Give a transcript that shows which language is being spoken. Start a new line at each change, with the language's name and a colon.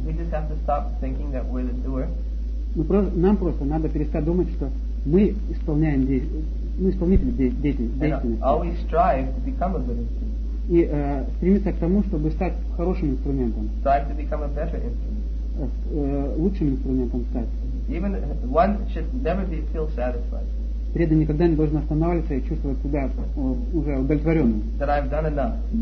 English: We just have to stop thinking that we're the doer.
Russian: Нам просто надо перестать думать, что мы исполняем мы исполнители деятельности.
English: And always strive to become a good instrument.
Russian: И стремиться к тому, чтобы стать хорошим инструментом.
English: Strive to become a better instrument.
Russian: Лучшим инструментом стать.
English: Even one should never be feel satisfied.
Russian: Преданный никогда не должен останавливаться и чувствовать себя уже удовлетворенным.
English: That I've done enough.